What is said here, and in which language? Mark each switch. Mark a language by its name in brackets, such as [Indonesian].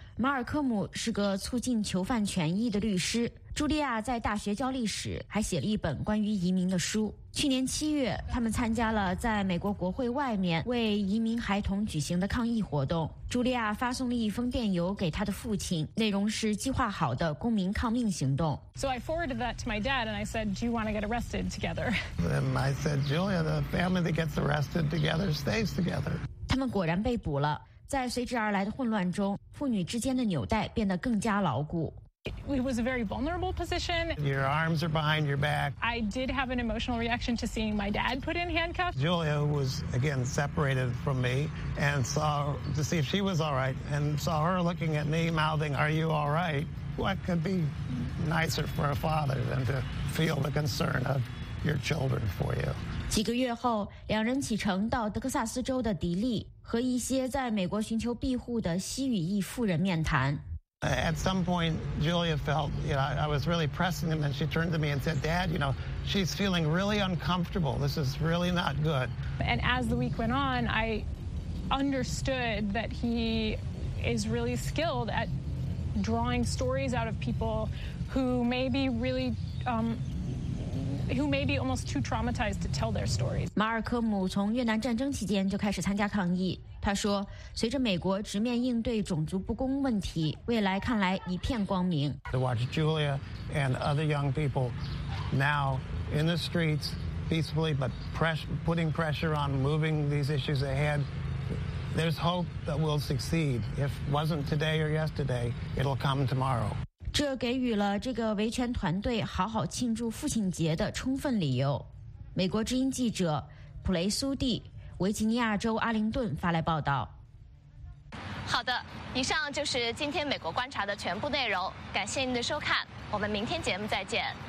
[Chinese] 马尔科姆是个促进囚犯权益的律师，茱莉亚在大学教历史，还写了一本关于移民的书。去年七月，他们参加了在美国国会外面为移民孩童举行的抗议活动。茱莉亚发送了一封电邮给他的父亲，内容是计划好的公民抗命行动。 [English] So I forwarded that to my dad, and I said, "Do you want to get arrested together?" And I said, "Julia, the family that gets arrested together stays together." [Chinese] 他们果然被捕了。在随之而来的混乱中，妇女之间的纽带变得更加牢固。 [English] It was a very vulnerable position. Your arms are behind your back. I did have an emotional reaction to seeing my dad put in handcuffs. Julia was again separated from me and saw to see if she was all right, and saw her looking at me, mouthing, "Are you all right?" What could be nicer for a father than to feel the concern of your children for you? [Chinese] 几个月后，两人启程到德克萨斯州的迪利，和一些在美国寻求庇护的西语裔妇人面谈。 [English] At some point, Julia felt, you know, I was really pressing him, and she turned to me and said, "Dad, you know, she's feeling really uncomfortable. This is really not good." And as the week went on, I understood that he is really skilled at drawing stories out of people who may be really, who may be almost too traumatized to tell their stories. [Chinese] 马尔科姆从越南战争期间就开始参加抗议。他说，随着美国直面应对种族不公问题，未来看来一片光明。 [English] To watch Julia and other young people now in the streets peacefully, but putting pressure on moving these issues ahead, there's hope that we'll succeed. If it wasn't today or yesterday, it'll come tomorrow. [Chinese] 这给予了这个维权团队好好庆祝父亲节的充分理由。美国之音记者普雷苏蒂，维吉尼亚州阿灵顿发来报道。好的，以上就是今天美国观察的全部内容，感谢您的收看，我们明天节目再见。